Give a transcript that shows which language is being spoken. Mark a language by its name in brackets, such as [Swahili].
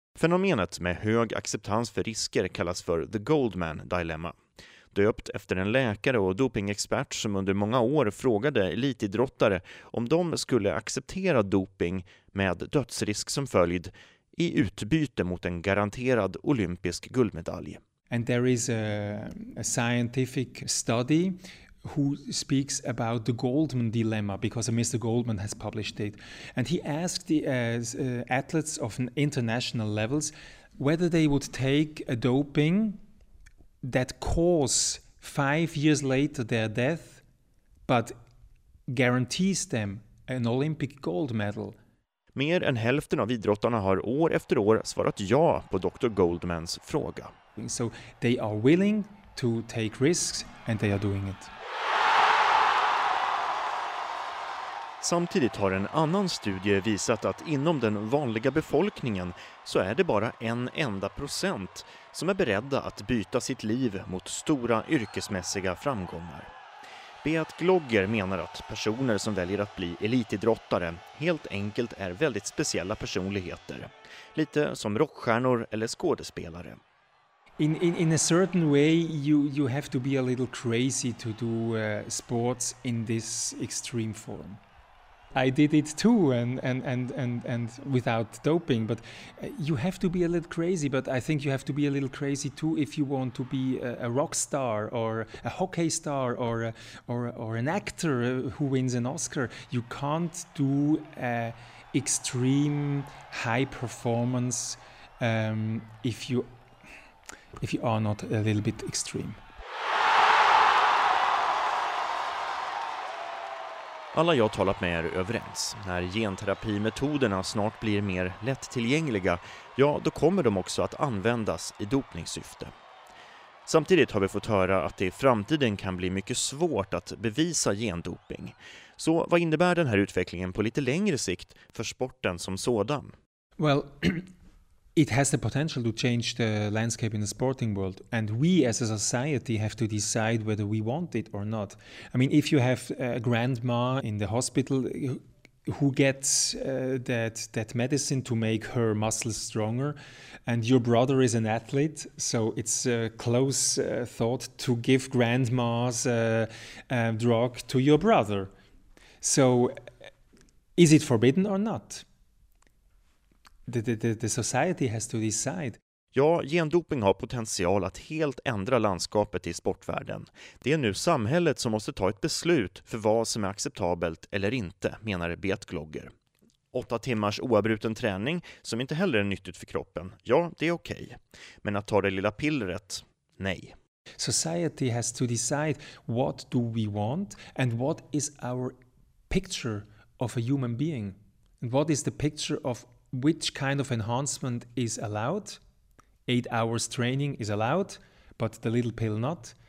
[Swedish] Fenomenet med hög acceptans för risker kallas för The Goldman Dilemma. Döpt efter en läkare och dopingexpert som under många år frågade elitidrottare om de skulle acceptera doping med dödsrisk som följd i utbyte mot en garanterad olympisk guldmedalj. [English] And there is a scientific study who speaks about the Goldman dilemma, because Mr. Goldman has published it. And he asked the athletes of an international levels whether they would take a doping that cause 5 years later their death, but guarantees them an Olympic gold medal. [Swedish] Mer än hälften av idrottarna har år efter år svarat ja på Dr. Goldmans fråga. [English] So they are willing to take risks and they are doing it. [Swedish] Samtidigt har en annan studie visat att inom den vanliga befolkningen så är det bara en enda procent som är beredda att byta sitt liv mot stora yrkesmässiga framgångar. Beat Glogger menar att personer som väljer att bli elitidrottare helt enkelt är väldigt speciella personligheter. Lite som rockstjärnor eller skådespelare. [English] In a certain way you have to be a little crazy to do sports in this extreme form. I did it too and without doping, but you have to be a little crazy, but I think you have to be a little crazy too if you want to be a rock star or a hockey star or an actor who wins an Oscar. You can't do extreme high performance if you are not a little bit extreme. [Swedish] Alla jag talat med är överens. När genterapimetoderna snart blir mer lättillgängliga, ja, då kommer de också att användas i dopningssyfte. Samtidigt har vi fått höra att det i framtiden kan bli mycket svårt att bevisa gendoping. Så vad innebär den här utvecklingen på lite längre sikt för sporten som sådan? [English] Well, it has the potential to change the landscape in the sporting world, and we as a society have to decide whether we want it or not. I mean, if you have a grandma in the hospital, who gets that medicine to make her muscles stronger. And your brother is an athlete, so it's a close thought to give grandma's drug to your brother. So is it forbidden or not? The society has to decide. [Swedish] Ja, gendoping har potential att helt ändra landskapet i sportvärlden. Det är nu samhället som måste ta ett beslut för vad som är acceptabelt eller inte, menar Beat Glogger. 8 timmars oavbruten träning, som inte heller är nyttigt för kroppen, ja, det är okej. Men att ta det lilla pillret, nej. [English] Society has to decide what do we want and what is our picture of a human being. What is the picture of which kind of enhancement is allowed? 8 hours training is allowed, but the little pill not.